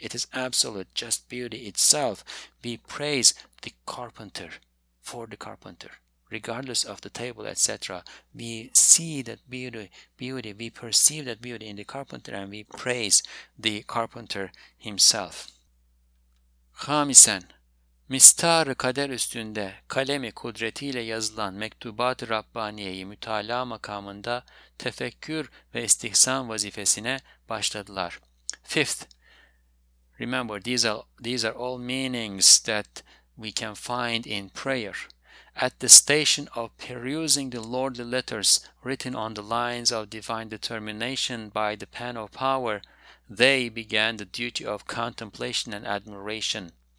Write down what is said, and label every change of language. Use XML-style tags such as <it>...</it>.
<en>It is absolute, just beauty itself. We praise the carpenter for the carpenter, regardless of the table, etc. We see that beauty, we perceive that beauty in the carpenter, and we praise the carpenter himself.</en> <tr>Hamisen, mistar-ı kader üstünde kalemi kudretiyle yazılan mektubat-ı Rabbaniye'yi mütalaa makamında tefekkür ve istihsan vazifesine başladılar.</tr> <en>Fifth, remember these are all meanings that we can find in prayer. At the station of perusing the lordly letters written on the lines of divine determination by the pen of power, they began the duty of contemplation and admiration.</en>